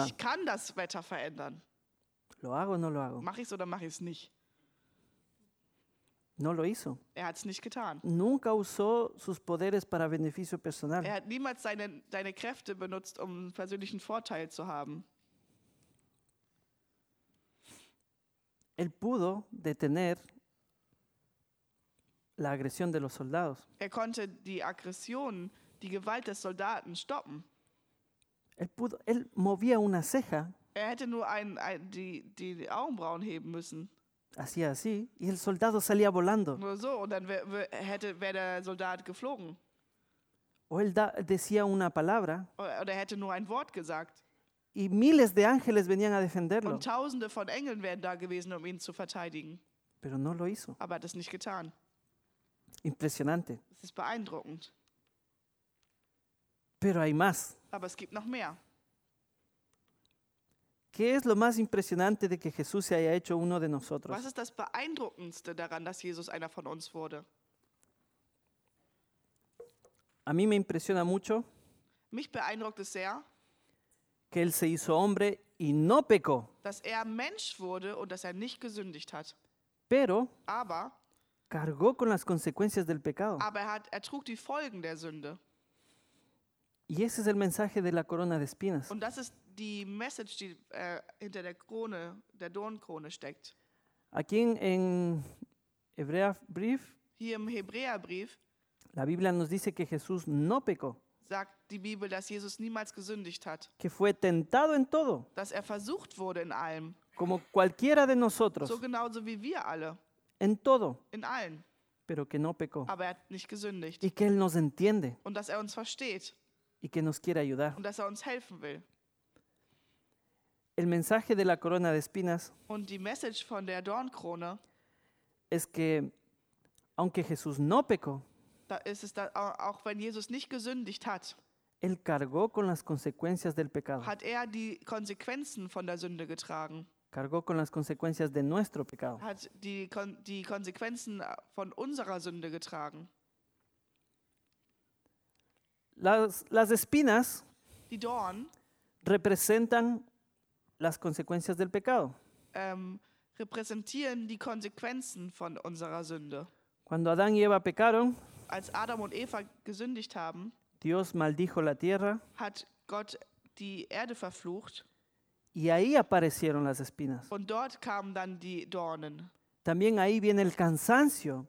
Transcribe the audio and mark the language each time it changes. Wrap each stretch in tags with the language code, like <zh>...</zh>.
<de>Und ich kann das Wetter verändern.</de> <es>¿Lo hago o no lo hago?</es> <de>Mache ich es oder mache ich es nicht?</de> <es>No lo hizo.</es> <de>Er hat es nicht getan.</de> <es>Nunca usó sus poderes para beneficio personal.</es> <de>Er hat niemals deine Kräfte benutzt, um einen persönlichen Vorteil zu haben.</de> <es>Él pudo detener la agresión de los soldados.</es> <de>Er konnte die Aggression, die Gewalt des Soldaten stoppen.</de> <es>Él movía una ceja.</es> <de>Er hätte nur die Augenbrauen heben müssen.</de> <es>Así, y el soldado salía volando.</es> <de>Nur so, und dann wäre der Soldat geflogen.</de> <es>O él decía una palabra.</es> <de>Oder er hätte nur ein Wort gesagt.</de> <es>Y miles de ángeles venían a defenderlo.</es> <de>Und tausende von Engeln wären da gewesen, um ihn zu verteidigen.</de> <es>Pero no lo hizo.</es> <de>Aber er hat es nicht getan.</de> <es>Impresionante.</es> <de>Es ist beeindruckend.</de> <es>Pero hay más.</es> <de>Aber es gibt noch mehr.</de> <es>¿Qué es lo más impresionante de que Jesús se haya hecho uno de nosotros?</es> <de>Was ist das Beeindruckendste daran, dass Jesus einer von uns wurde?</de> <es>A mí me impresiona mucho.</es> <de>Mich beeindruckt es sehr.</de> <es>Que él se hizo hombre y no pecó.</es> <de>Dass er Mensch wurde und dass er nicht gesündigt hat.</de> <es>Pero.</es> <de>Aber.</de> <es>Cargó con las consecuencias del pecado.</es> <de>Aber er trug die Folgen der Sünde.</de> <es>Y ese es el mensaje de la corona de espinas.</es> <de>Und das ist die Message, die hinter der Krone, der Dornkrone steckt.</de> <es>Aquí en Hebräerbrief.</es> <de>Hier im Hebräerbrief.</de> <es>La Biblia nos dice que Jesús no pecó.</es> <de>Sagt die Bibel, dass Jesus niemals gesündigt hat.</de> <es>Que fue tentado en todo.</es> <de>Dass er versucht wurde in allem.</de> <es>Como cualquiera de nosotros.</es> <de>So genauso wie wir alle.</de> <es>En todo.</es> <de>In allen.</de> <es>Pero que no pecó.</es> <de>Aber er hat nicht gesündigt.</de> <es>Y que él nos entiende.</es> <de>Und dass er uns versteht.</de> <es>Y que nos quiere ayudar.</es> <de>Und dass er uns helfen will.</de> <es>El mensaje de la corona de espinas.</es> <de>Und die Message von der Dornkrone.</de> <es>Es que aunque Jesús no pecó.</es> <de>Da ist es da, auch wenn Jesus nicht gesündigt hat.</de> <es>Él cargó con las consecuencias del pecado.</es> <de>Hat er die Konsequenzen von der Sünde getragen.</de> <es>Cargó con las consecuencias de nuestro pecado.</es> <de>Hat die Konsequenzen von unserer Sünde getragen.</de> <es>Las espinas.</es> <de>Die Dornen.</de> <es>Representan las consecuencias del pecado.</es> <de>Repräsentieren die Konsequenzen von unserer Sünde.</de> <es>Cuando Adán y Eva pecaron,</es> <de>als Adam und Eva gesündigt haben,</de> <es>Dios maldijo la tierra,</es> <de>hat Gott die Erde verflucht.</de> <es>Y ahí aparecieron las espinas.</es> <de>Und dort kamen dann die Dornen.</de> <es>También ahí viene el cansancio.</es>